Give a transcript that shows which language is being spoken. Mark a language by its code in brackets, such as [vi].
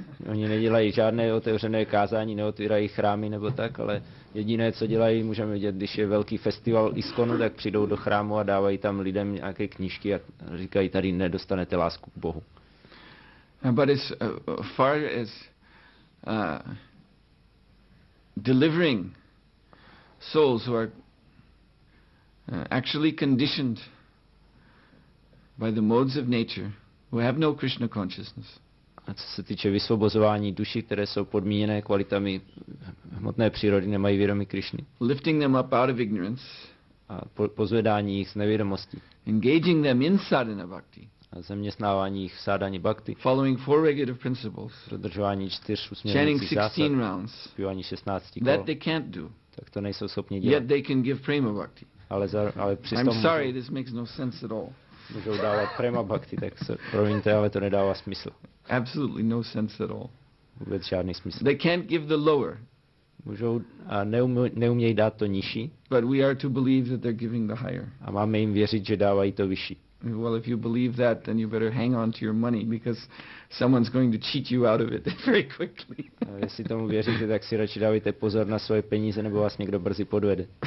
[cs] Oni nedělají žádné otevřené kázání, neotvírají chrámy nebo tak, ale jediné, co dělají, můžeme vidět, když je velký festival ISKCONu, tak přijdou do chrámu a dávají tam lidem nějaké knížky a říkají, tady nedostanete lásku k Bohu. [en] But as far as delivering souls who are actually conditioned by the modes of nature, who have no Krishna consciousness. [cs] A co se týče vysvobozování duší, které jsou podmíněné kvalitami hmotné přírody, nemají vědomí Krišny. [en] Lifting them up out of ignorance. [cs] A pozvedání jich z nevědomosti. [en] Engaging them in sadhana bhakti. [cs] A zaměstnávání jich v sadhani bhakti. [en] Following four regular principles. [cs] Dodržování čtyř usměrujících zásad. [en] Chanting 16 rounds. [cs] Zpívání 16 kol. [en] That they can't do. [cs] Tak to nejsou schopni dělat. [en] Yet they can give prema bhakti. [cs] Ale [en] I'm sorry, this makes no sense at all. [cs] Můžou dávat prema bhakti, tak se promiňte, ale to nedává smysl. [en] Absolutely no sense at all. [cs] Vůbec žádný smysl. [en] They can't give the lower. [cs] Můžou a neumějí dát to nižší. [en] But we are to believe that they're giving the higher. [cs] A máme jim věřit, že dávají to vyšší. [en] Well, if you believe that, then you better hang on to your money, because someone's going to cheat you out of it very quickly. [cs] A jestli tomu věříte, tak si radši dávajte pozor na svoje peníze, nebo vás někdo brzy podvede.